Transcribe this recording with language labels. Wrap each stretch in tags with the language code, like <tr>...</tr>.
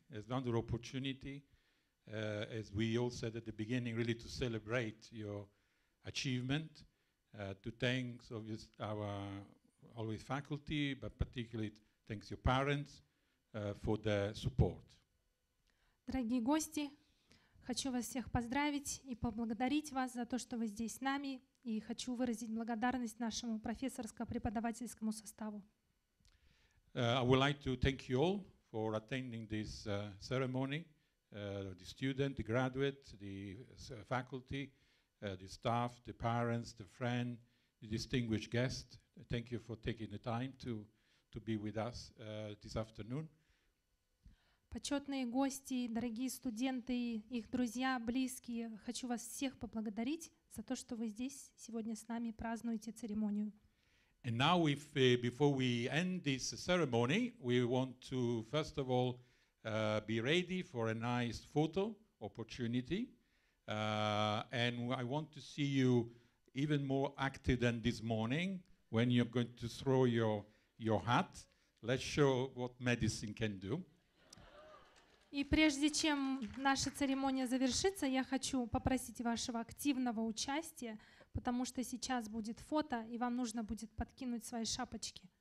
<en>It's a wonderful opportunity, as we all said at the beginning, really to celebrate your achievement, to thank our always faculty, but particularly thanks your parents for their support.</en> <ru>Дорогие гости, хочу вас всех поздравить и поблагодарить вас за то, что вы здесь с нами. И хочу выразить благодарность нашему профессорско-преподавательскому составу.</ru> <en>I would like to thank you all for attending this ceremony, the student, the graduate, the faculty, the staff, the parents, the friend, the distinguished guest. Thank you for taking the time to be with us this afternoon.</en> <ru>Почетные гости, дорогие студенты, их друзья, близкие, хочу вас всех поблагодарить за то, что вы здесь сегодня с нами празднуете церемонию.</ru> <en>And now, before we end this ceremony, we want to first of all be ready for a nice photo opportunity, and I want to see you even more active than this morning when you're going to throw your hat. Let's show what medicine can do.</en> <ru>И прежде чем наша церемония завершится, я хочу попросить вашего активного участия, потому что сейчас будет фото, и вам нужно будет подкинуть свои шапочки.</ru>